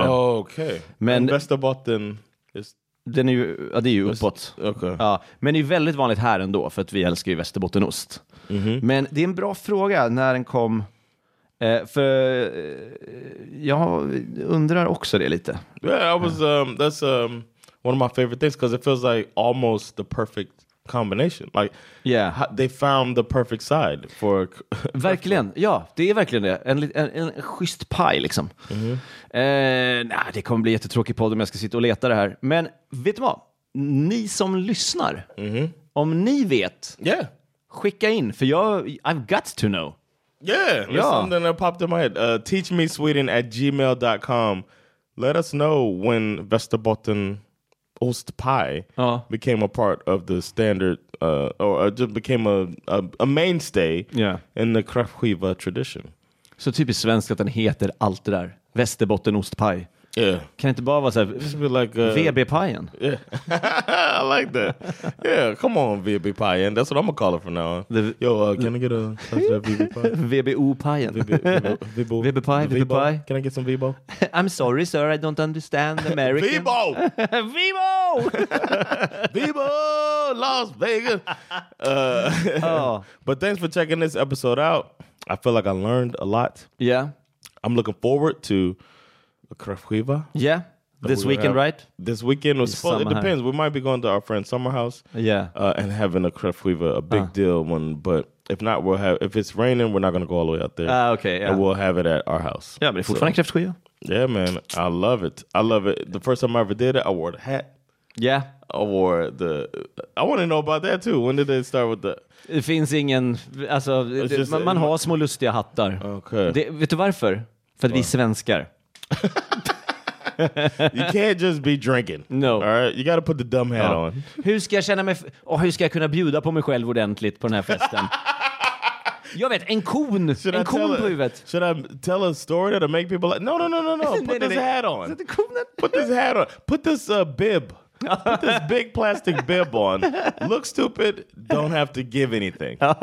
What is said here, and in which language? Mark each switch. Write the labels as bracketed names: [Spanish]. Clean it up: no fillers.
[Swedish] Oh, okej. Okay. Men Västerbotten... Den är ju, ja, det är ju uppåt. [English] Okay. [Swedish] Ja, men det är väldigt vanligt här ändå, för att vi älskar ju västerbottenost. Mm-hmm. Men det är en bra fråga när den kom... för jag undrar också det lite. [English] Yeah, I was that's one of my favorite things because it feels like almost the perfect combination. Like they found the perfect side for [Swedish] verkligen. Ja, det är verkligen det. En schysst paj liksom. Mm-hmm. Nej, det kommer bli jättetråkigt podd om jag ska sitta och leta det här. Men vet du vad? Ni som lyssnar. Mm-hmm. Om ni vet. [English] Yeah. [Swedish] Skicka in, för [English] I've got to know. Yeah, yeah, something that popped in my head. Teachmesweden@gmail.com. Let us know when Västerbotten ost pie became a part of the standard, or just became a mainstay in the Kräftskiva tradition. [Swedish] Så typiskt svenskt att den heter allt det där. [English] Västerbotten ost pie. Yeah. [Swedish] Kan det inte bara vara så här, [English] like, [Swedish] VB-pajen? [English] Yeah. I like that. Yeah, come on, VB-pajen. That's what I'm gonna call it from now on. Can I get a VB-pajen? VBO-pajen. VB-pajen. Can I get some VBO? I'm sorry, sir. I don't understand American. VBO! VBO! VBO! Las Vegas! But thanks for checking this episode out. I feel like I learned a lot. Yeah. I'm looking forward to... Kräftskiva. Yeah, this weekend, right? This weekend was fun. It depends. We might be going to our friend's summer house. Yeah, and having a Kräftskiva, a big deal one. But if not, we'll have. If it's raining, we're not going to go all the way out there. Okay. Yeah. And we'll have it at our house. Yeah, but if we find Kräftskiva. Yeah, man, I love it. I love it. The first time I ever did it, I wore the hat. Yeah. I wore the. I want to know about that too. When did they start with the? [Swedish] Det finns ingen. Alltså, man har små lustiga hattar. [English] Okay. [Swedish] Vet du varför? För att vi är svenskar. [English] You can't just be drinking. No. All right, you gotta put the dumb hat on. [Swedish] Hur ska jag känna mig hur ska jag kunna bjuda på mig själv ordentligt på den här festen? Jag vet, en kon. [English] Should [Swedish] en kon på huvudet. [English] Should I tell a story to make people like No. Put this hat on. Is it the konen? Put this hat on. Put this bib. Put this big plastic bib on. Look stupid. Don't have to give anything.